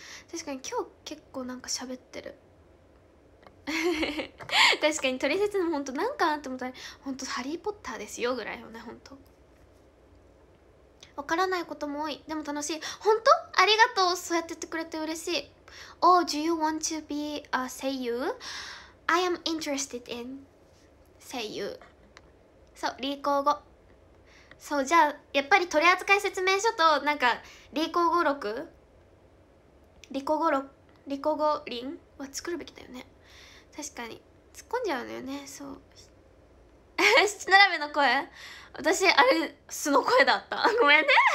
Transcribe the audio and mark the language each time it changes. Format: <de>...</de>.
<ja>確かに今日結構なんか喋ってる。確かに取説のほんと何かなって思ったら、ほんとハリーポッターですよぐらいよね。ほんと分からないことも多い、でも楽しい。ほんとありがとう、そうやって言ってくれて嬉しい。</ja> <en>Oh, do you want to be a 声優？ I am interested in 声優。</en> <ja>そう、リーコー語。そう、じゃあやっぱり取扱説明書となんかリーコー語録、リコ語録、リコ語輪は作るべきだよね。確かに突っ込んじゃうのよね。そう、七並べの声、私あれ素の声だった、ごめんね。</ja>